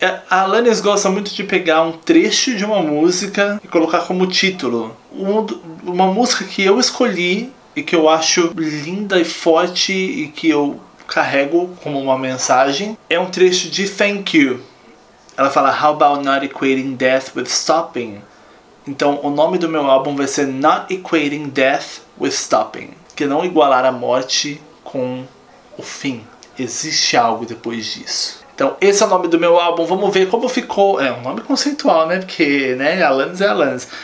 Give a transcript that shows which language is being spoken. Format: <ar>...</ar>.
<pt>A Alanis gosta muito de pegar um trecho de uma música e colocar como título. Uma música que eu escolhi e que eu acho linda e forte e que eu carrego como uma mensagem é um trecho de Thank You. Ela fala,</pt> <en>how about not equating death with stopping?</en> <pt>Então o nome do meu álbum vai ser Not Equating Death with Stopping. Que é não igualar a morte com o fim. Existe algo depois disso. Então esse é o nome do meu álbum. Vamos ver como ficou. É um nome conceitual, né? Porque, né? Alanis é Alanis.</pt>